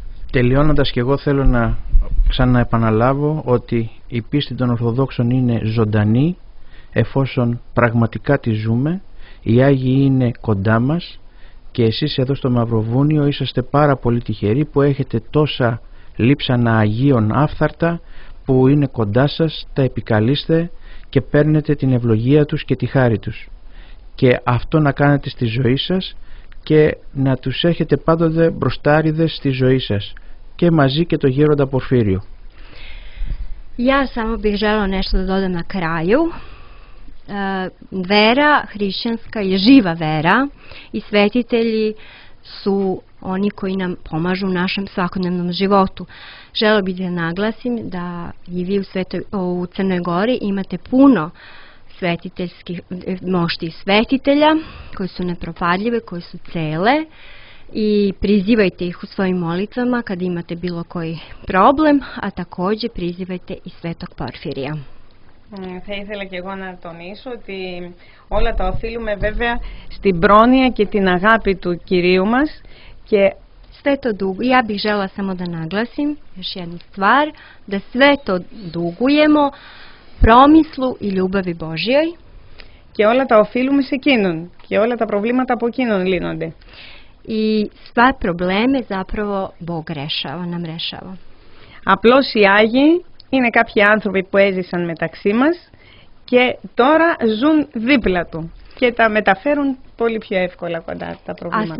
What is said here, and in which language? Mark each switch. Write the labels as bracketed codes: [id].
[el] Τελειώνοντας και εγώ θέλω να ξαναεπαναλάβω ότι η πίστη των Ορθοδόξων είναι ζωντανή εφόσον πραγματικά τη ζούμε, οι Άγιοι είναι κοντά μας και εσείς εδώ στο Μαυροβούνιο είσαστε πάρα πολύ τυχεροί που έχετε τόσα λείψανα Αγίων άφθαρτα που είναι κοντά σας, τα επικαλείστε και παίρνετε την ευλογία τους και τη χάρη τους. Και αυτό να κάνετε στη ζωή σας και να τους έχετε πάντοτε μπροστάριδες στη ζωή σας και μαζί και το γέροντα Πορφύριο. [sr] Ja samo bih želela nešto da dodam na kraju. Vera hrišćanska je živa vera i svetitelji su oni koji nam pomažu u našem svakodnevnom životu. Želela bih da naglasim da i vi u Crnoj Gori imate puno svetiteljskih mošti i svetitelja koji su nepropadljive, koji su cele i prizivajte ih u svojim molitvama kad imate bilo koji problem, a također prizivajte i Svetog Porfirija. [el] Θα ήθελα και εγώ να τονίσω ότι όλα τα οφείλουμε βέβαια στην πρόνοια και την αγάπη του Κυρίου μας και [sr] sve to dugo, ja bih žela samo da naglasim još jednu stvar, da sve to dugujemo promislu i ljubavi Božjoj. [el] Και όλα τα οφείλουμε σε εκείνον και όλα τα προβλήματα από εκείνον λύνονται. [sr] I sve probleme zapravo Bog rešava, nam rešava. [el] Απλώς οι Άγιοι είναι κάποιοι άνθρωποι που έζησαν μεταξύ μας και τώρα ζουν δίπλα του και τα μεταφέρουν πολύ πιο εύκολα κοντά τα προβλήματα.